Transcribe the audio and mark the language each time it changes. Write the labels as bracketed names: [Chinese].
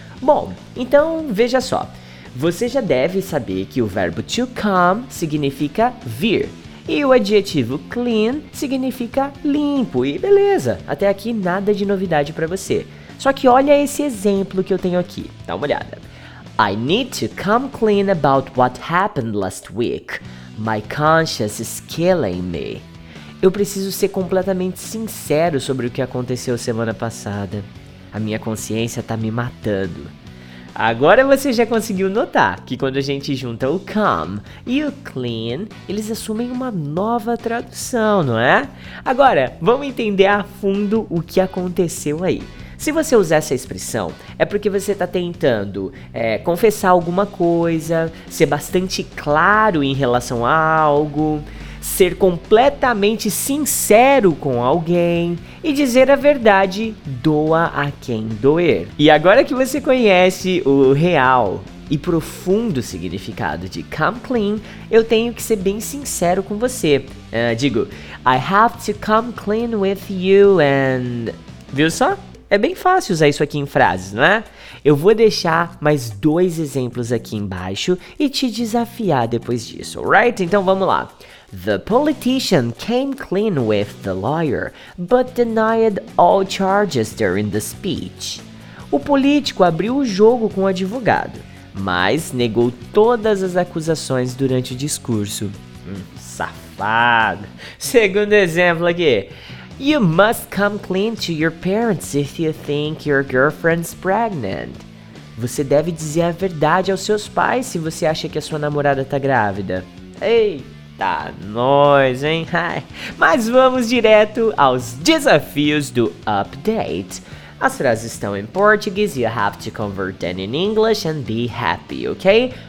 [Portuguese] Bom, então veja só, você já deve saber que o verbo to come significa vir e o adjetivo clean significa limpo e beleza, até aqui nada de novidade pra você. Só que olha esse exemplo que eu tenho aqui, dá uma olhada. [English] I need to come clean about what happened last week. My conscience is killing me. [Portuguese] Eu preciso ser completamente sincero sobre o que aconteceu semana passada. A minha consciência tá me matando. Agora você já conseguiu notar que quando a gente junta o come e o clean, eles assumem uma nova tradução, não é? Agora, vamos entender a fundo o que aconteceu aí. Se você usar essa expressão, é porque você tá tentando confessar alguma coisa, ser bastante claro em relação a algo, ser completamente sincero com alguém e dizer a verdade, doa a quem doer. E agora que você conhece o real e profundo significado de come clean, eu tenho que ser bem sincero com você. Digo, [English] I have to come clean with you and... [Portuguese] Viu só? É bem fácil usar isso aqui em frases, não é? Eu vou deixar mais dois exemplos aqui embaixo e te desafiar depois disso, alright? Então vamos lá. [English] The politician came clean with the lawyer, but denied all charges during the speech. [Portuguese] O político abriu o jogo com o advogado, mas negou todas as acusações durante o discurso. Safado! Segundo exemplo aqui. [English] You must come clean to your parents if you think your girlfriend's pregnant. [Portuguese] Você deve dizer a verdade aos seus pais se você acha que a sua namorada tá grávida. Ei! Tá nóis, hein? Ai. Mas vamos direto aos desafios do update. As frases estão em português, [English] you have to convert them in English and be happy, ok?